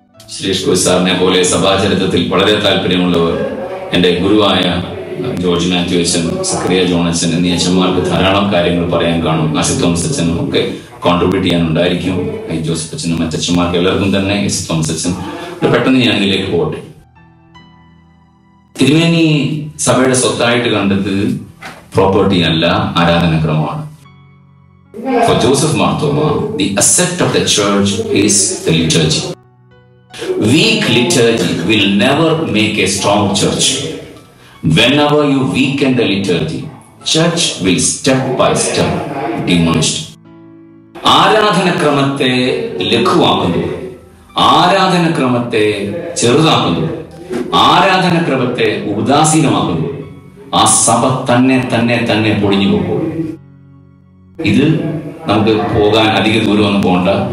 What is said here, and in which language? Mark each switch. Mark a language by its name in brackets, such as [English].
[Malayalam] സുരേഷ് ഗോയ് സാറിനെ പോലെ സഭാചരിത്രത്തിൽ വളരെ താല്പര്യമുള്ളവർ, എൻ്റെ ഗുരുവായ ജോർജ് മാത്യുവച്ചൻ, സക്രിയ ജോണച്ചൻ എന്നീ അച്ഛന്മാർക്ക് ധാരാളം കാര്യങ്ങൾ പറയാൻ കാണും. അസി തോമസ് അച്ഛനും ഒക്കെ കോൺട്രിബ്യൂട്ട് ചെയ്യാനുണ്ടായിരിക്കും. ഐ ജോസഫ് അച്ഛനും മറ്റച്ഛന്മാർക്ക് എല്ലാവർക്കും തന്നെ എസ് തോമസ് അച്ഛൻ. പെട്ടെന്ന് ഞാൻ ഇതിലേക്ക് പോട്ടെ. തിരുമേനി സഭയുടെ സ്വത്തായിട്ട് കണ്ടത് പ്രോപ്പർട്ടി അല്ല, ആരാധനക്രമമാണ്. [English] For Joseph Mar Thoma, the asset of the church is the liturgy. Weak liturgy will never make a strong church. Whenever you weaken the liturgy, church will step by step demolished. [Malayalam] ആരാധന ക്രമത്തെ ലഘുവാക്കുന്നു, ആരാധന ക്രമത്തെ ചെറുതാക്കുന്നു, ആരാധന ക്രമത്തെ ഉദാസീനമാക്കുന്നു. ആ സഭ തന്നെ തന്നെ തന്നെ പൊടിഞ്ഞു പോകും. ഇത് നമുക്ക് പോകാൻ അധിക ദൂരം ഒന്നും പോകണ്ട.